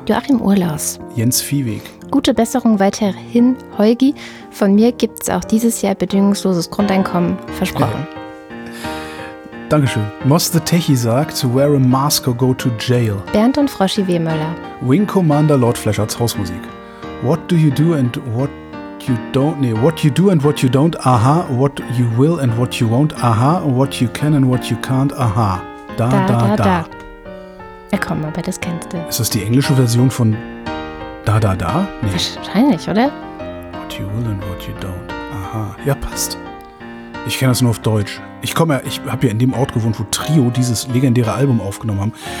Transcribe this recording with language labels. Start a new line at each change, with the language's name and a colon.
German: Joachim Urlaus. Jens Viehweg. Gute Besserung weiterhin, Holgi. Von mir gibt's auch dieses Jahr bedingungsloses Grundeinkommen. Versprochen. Ja. Dankeschön.
English: Moss the Techie sagt, to wear a mask or go to jail.
German: Bernd und Froschi Wehmöller. Wing Commander Lord Fleschards Hausmusik.
English: What do you do and what you don't, nee, what you do and what you don't, aha, what you will and what you won't, aha, what you can and what you can't, aha, da.
German: Ja komm, aber das kennst du. Ist das die englische Version von da? Nee. Wahrscheinlich, oder?
English: What you will and what you don't, aha,
German: ja passt. Ich kenne das nur auf Deutsch. Ich habe ja in dem Ort gewohnt, wo Trio dieses legendäre Album aufgenommen haben.